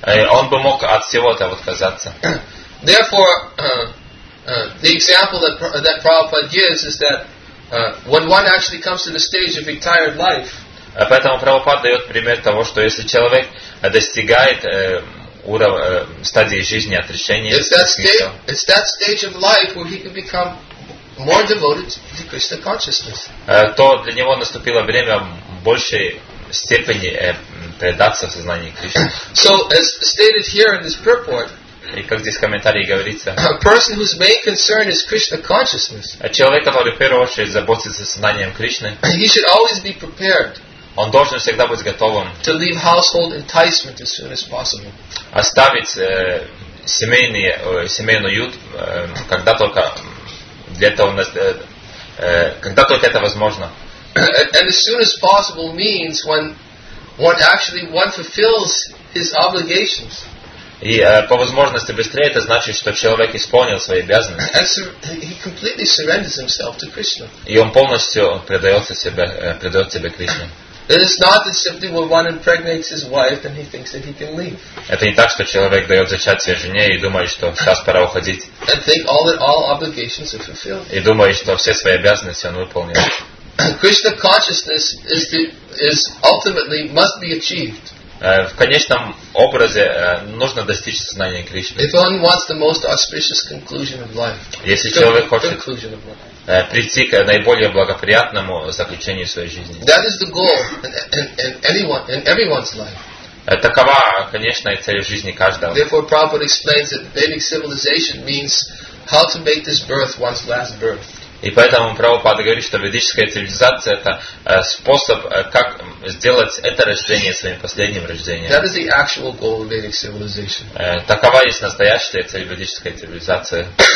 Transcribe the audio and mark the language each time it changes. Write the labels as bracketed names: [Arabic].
[Russian] Он бы мог от всего этого отказаться. [English] Therefore, the example that Prabhupada gives is that when one actually comes to the stage of retired life. [Russian] Поэтому Прабхупада дает пример того, что если человек достигает уровня стадии жизни отречения, [English] it's that stage of life where he can become more devoted to Krishna consciousness. [Russian] То для него наступило время большей степени предаться в сознании Кришны. [English] So as stated here in this purport, [Russian] и как здесь в комментарии говорится, [English] a person whose main concern is Krishna consciousness, [Russian] человек, который в первую очередь заботится о сознании Кришны, [English] he should always be prepared, [Russian] он должен всегда быть готовым, [English] to leave household enticement as soon as possible, [Russian] оставить семейный уют, когда только для этого когда только это возможно. [English] And as soon as possible means when one actually one fulfills his obligations. [Russian] И по возможности быстрее это значит, что человек исполнил свои обязанности. [English] And so he completely surrenders himself to Krishna. [Russian] И он полностью предает себя Кришне. [English] It is not that simply when one impregnates his wife and he thinks that he can leave. [Russian] Это не так, что человек дает зачатие жене и думает, что сейчас пора уходить. [English] And think all obligations are fulfilled. [Russian] И думает, что все свои обязанности он выполнил. [English] Krishna consciousness is ultimately must be achieved. [Russian] В конечном образе нужно достичь сознания Кришны. [English] If one wants the most auspicious conclusion of life. [Russian] Если человек хочет прийти к наиболее благоприятному заключению своей жизни. [English] That is the goal in everyone's life. [Russian] Такова конечная цель в жизни каждого. [English] Therefore, Prabhupada explains that Vedic civilization means how to make this birth one's last birth. [Russian] И поэтому Прабхупада говорит, что ведическая цивилизация это способ, как сделать это рождение своим последним рождением. [English] That is the actual goal of Vedic civilization. [Russian] Такова есть настоящая цель ведической цивилизации.